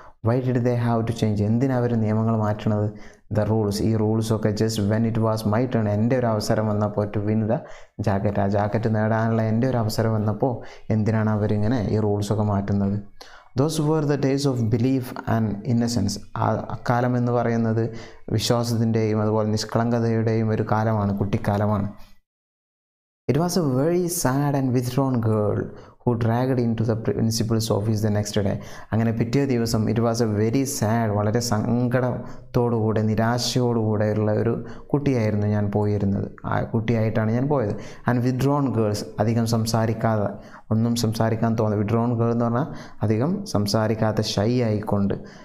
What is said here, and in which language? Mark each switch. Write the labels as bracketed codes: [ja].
[en] why did they have to change, [ml] എന്തിനാണ് അവർ നിയമങ്ങൾ മാറ്റണത്? The rules, ഈ റൂൾസൊക്കെ [en] just when it was my turn, [ml] എൻ്റെ ഒരു അവസരം വന്നപ്പോൾ [en] to win the jacket, [ml] ആ ജാക്കറ്റ് നേടാനുള്ള എൻ്റെ ഒരു അവസരം വന്നപ്പോൾ എന്തിനാണ് അവരിങ്ങനെ ഈ റൂൾസൊക്കെ മാറ്റുന്നത്? [en] Those were the days of belief and innocence. [ml] ആ അക്കാലം എന്ന് പറയുന്നത് വിശ്വാസത്തിൻ്റെയും അതുപോലെ നിഷ്കളങ്കതയുടെയും ഒരു കാലമാണ്, കുട്ടിക്കാലമാണ്. [en] It was a very sad and withdrawn girl who dragged into the principal's office the next day. [ml] അങ്ങനെ പിറ്റേ ദിവസം [en] it was a very sad [ml] വളരെ സങ്കടത്തോടുകൂടെ നിരാശയോടുകൂടെ ഉള്ള ഒരു കുട്ടിയായിരുന്നു ഞാൻ പോയിരുന്നത് ആ കുട്ടിയായിട്ടാണ് ഞാൻ പോയത് [en] and withdrawn girls [ml] അധികം സംസാരിക്കാതെ ഒന്നും സംസാരിക്കാൻ തോന്നി വിഡ്രോൺ ഗേൾ എന്ന് പറഞ്ഞാൽ അധികം സംസാരിക്കാത്ത ഷൈ ആയിക്കൊണ്ട്